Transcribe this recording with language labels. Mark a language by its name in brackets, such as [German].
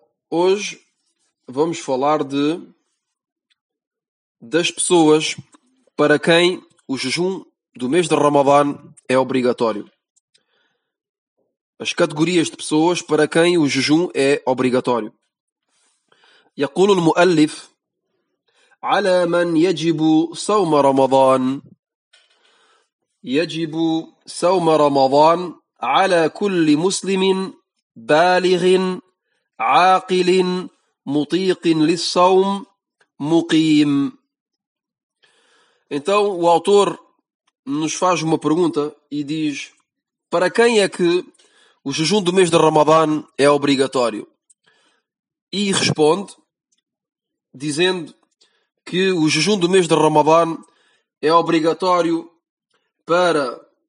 [Portuguese] Hoje vamos falar das pessoas para quem o jejum do mês de Ramadan é obrigatório. As categorias de pessoas para quem o jejum é obrigatório. [Arabic] يقول المؤلف على من يجب صوم رمضان يجب صوم رمضان على كل مسلم بالغ عاقل مطيق للصوم مقيم. [Portuguese] Então, o autor nos faz uma pergunta e diz: para quem é que o jejum do mês de Ramadan é obrigatório? E responde dizendo que o jejum do mês de Ramadan é obrigatório para